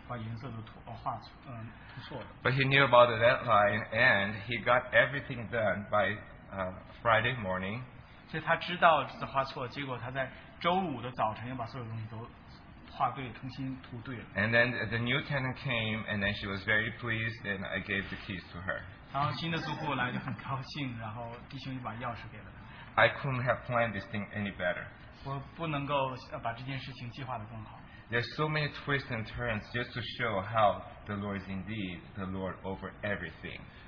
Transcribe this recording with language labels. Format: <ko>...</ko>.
<zh>他呢虽然有那个颜色的这个数号码，但是呢他没有那个颜色的本子，所以结果他的确是把颜色都涂画错了。But</zh> <en>he knew about the deadline, and he got everything done by Friday morning.</en> <zh>所以他知道画错，结果他在周五的早晨又把所有东西都画对，重新涂对了。</zh> <en>And then the new tenant came, and then she was very pleased, and I gave the keys to her.</en> <zh>然后新的租户来就很高兴，然后弟兄就把钥匙给了他。</zh> <en>I couldn't have planned this thing any better.</en> <zh>我不能够把这件事情计划得更好。There's</zh> <en>so many twists and turns just to show how the Lord is indeed the Lord over everything.</en>